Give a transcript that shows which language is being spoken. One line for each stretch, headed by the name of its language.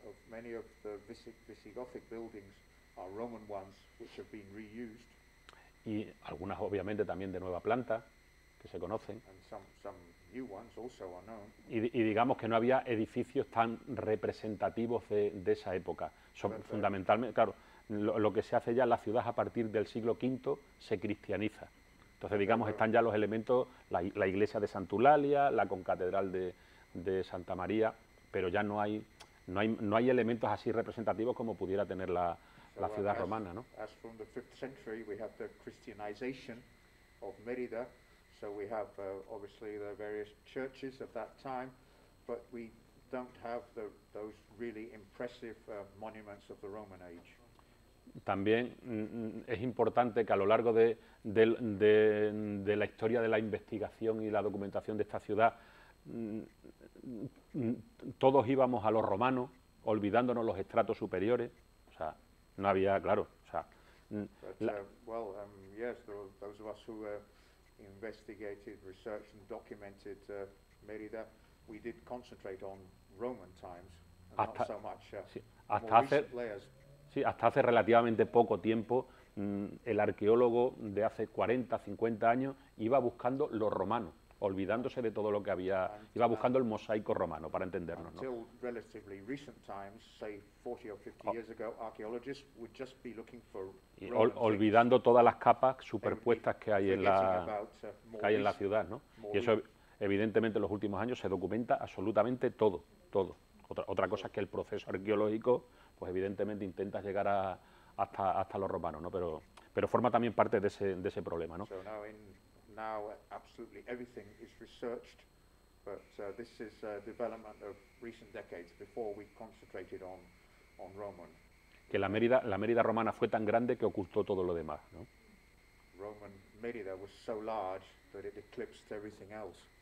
English: Many of the Visigothic buildings are Roman ones which have been reused.
Spanish: Y algunas obviamente también de nueva planta que se conocen.
English: And some new ones also are known.
Spanish: Y digamos que no había edificios tan representativos de esa época. Fundamentalmente, claro, lo que se hace ya en la ciudad a partir del siglo V se cristianiza. Entonces, digamos, están ya los elementos, la iglesia de Santa Eulalia, la concatedral de Santa María, pero ya no hay elementos así representativos como pudiera tener la ciudad romana, ¿no?
English: As from the 5th century, we have the Christianization of Mérida. So we have obviously the various churches of that time, but we don't have those really impressive monuments of the Roman age.
Spanish: También es importante que a lo largo de la historia de la investigación y la documentación de esta ciudad, todos íbamos a los romanos, olvidándonos los estratos superiores, o sea, no había, claro, o sea...
English: Yes, there were those of us who investigated, researched and documented Mérida, we did concentrate on Roman times,
Spanish: hasta,
English: not so much
Spanish: sí, hasta
English: more
Spanish: hace,
English: recent layers.
Spanish: Sí, hasta hace relativamente poco tiempo, el arqueólogo de hace 40, 50 años iba buscando los romanos, olvidándose de todo lo que había, iba buscando el mosaico romano, para entendernos, ¿no?
English: Until relatively recent times, say 40 or 50 years ago, archaeologists would just be looking for
Spanish: olvidando todas las capas superpuestas que hay en la ciudad, ¿no? Y eso, evidentemente, en los últimos años se documenta absolutamente todo, todo. Otra cosa es que el proceso arqueológico, pues evidentemente intenta llegar a, hasta los romanos, ¿no? Pero forma también parte de ese problema, ¿no?
English: Now absolutely everything is researched, but this is a development of recent decades before we concentrated on Roman.
Spanish: Que la Mérida romana fue tan grande que ocultó todo lo demás, ¿no?
English: Roman Mérida was so large that it eclipsed everything else.